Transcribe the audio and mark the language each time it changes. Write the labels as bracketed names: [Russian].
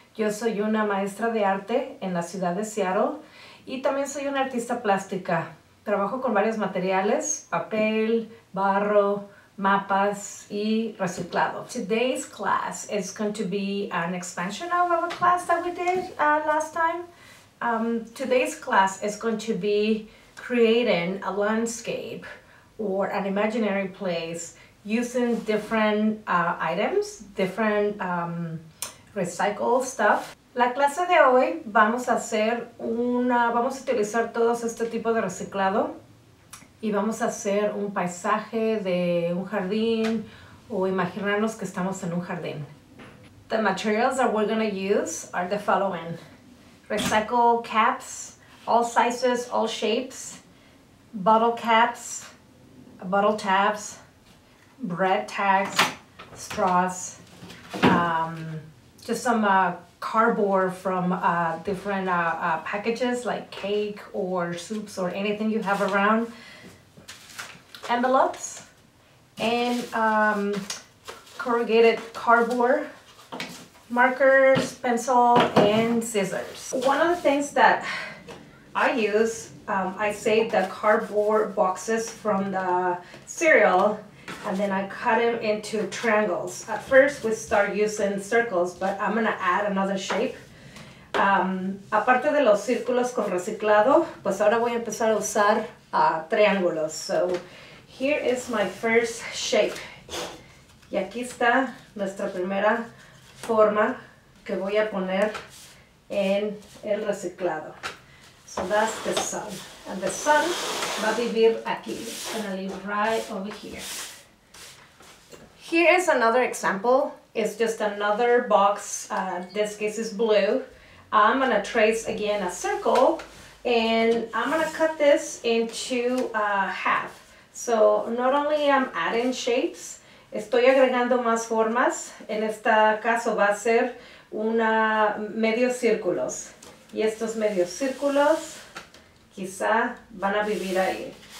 [Spanish] Yo soy una maestra de arte en la ciudad de Seattle, y también soy una artista plástica. Trabajo con varios materiales, papel, barro, mapas, y reciclado. [English] Today's class is going to be an expansion of our class that we did last time. Today's class is going to be creating a landscape or an imaginary place using different items, different recycled stuff. [Spanish] La clase de hoy vamos a hacer una, vamos a utilizar todos este tipo de reciclado y vamos a hacer un paisaje de un jardín o imaginarnos que estamos en un jardín. [English] The materials that we're gonna use are the following. Recycle caps, all sizes, all shapes, bottle caps, bottle tabs, bread tags, straws, just some cardboard from different packages like cake or soups or anything you have around, envelopes, and corrugated cardboard, markers, pencil, and scissors. One of the things that I use, I save the cardboard boxes from the cereal and then I cut them into triangles. At first we start using circles, but I'm gonna add another shape. [Spanish] Aparte de los círculos con reciclado, pues ahora voy a empezar a usar triángulos. [English] So here is my first shape. [Spanish] Y aquí está nuestra primera forma que voy a poner en el reciclado. [English] So that's the sun. And the sun [Spanish] va a vivir aquí. [English] It's gonna live right over here. Here is another example. It's just another box. This case is blue. I'm gonna trace again a circle and I'm gonna cut this into half. So not only I'm adding shapes, [Spanish] estoy agregando más formas. En este caso va a ser una medio círculos. Y estos medios círculos quizá van a vivir ahí.